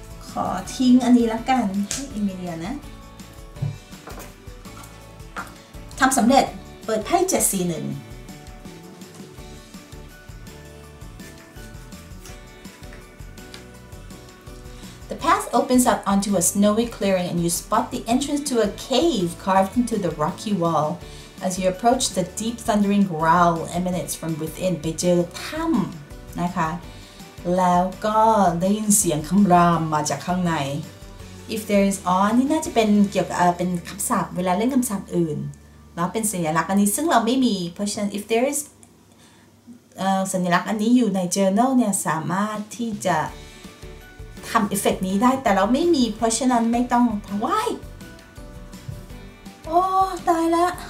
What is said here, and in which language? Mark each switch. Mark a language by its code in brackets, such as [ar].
[th] ขอทิ้งอันนี้แล้วกันให้อิมิเลียนะทำสำเร็จเปิดไพ่7สีหนึ่ง [en] Opens up onto a snowy clearing, and you spot the entrance to a cave carved into the rocky wall. As you approach, the deep thundering growl emanates from within. [th] ไปเจอถ้ำนะคะแล้วก็ได้ยินเสียงคำรามมาจากข้างใน [en] If there is on [th] นี่น่าจะเป็นเกี่ยวกับเป็นคำศัพท์เวลาเล่นคำศัพท์อื่นแล้วเป็นสัญลักษณ์อันนี้ซึ่งเราไม่มีเพราะฉะนั้น [en] if there is [th] สัญลักษณ์อันนี้อยู่ใน journal เนี่ยสามารถที่จะทำเอฟเฟกต์นี้ได้แต่เราไม่มีเพราะฉะนั้นไม่ต้องทำไว้โอ้ตายละ